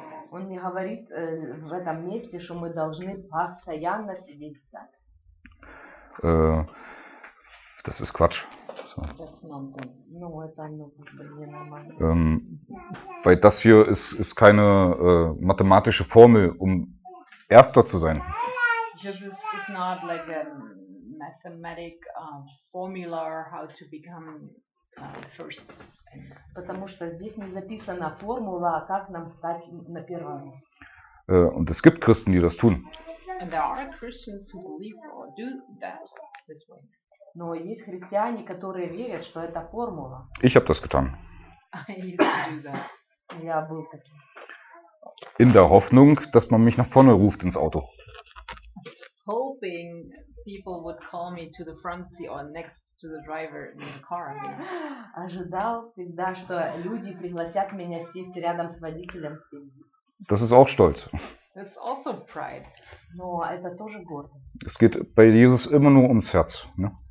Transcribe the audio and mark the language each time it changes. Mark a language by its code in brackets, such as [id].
[ru] Он не говорит в этом месте, что мы должны постоянно сидеть. [de] Das ist Quatsch. So. Weil das hier ist keine mathematische Formel, um Erster zu sein. [en] It's not like a mathematic formula how to become first. [ru] Потому что здесь не записана формула, как нам стать на первом. [de] Und es gibt Christen, die das tun. [en] And there are Christians who believe or do that this way. [ru] Но есть христиане, которые верят, что это формула. [de] Ich habe das getan. [en] I used to do that. [ru] Я был таким. [de] In der Hoffnung, dass man mich nach vorne ruft ins Auto. [en] Hoping people would call me to the front seat or next to the driver in the car. [ru] Ожидал всегда, что люди пригласят меня сесть рядом с водителем. [de] Das ist auch stolz. [en] It's also pride. [ru] Но это тоже гордость. [de] Es geht bei Jesus immer nur ums Herz, ne?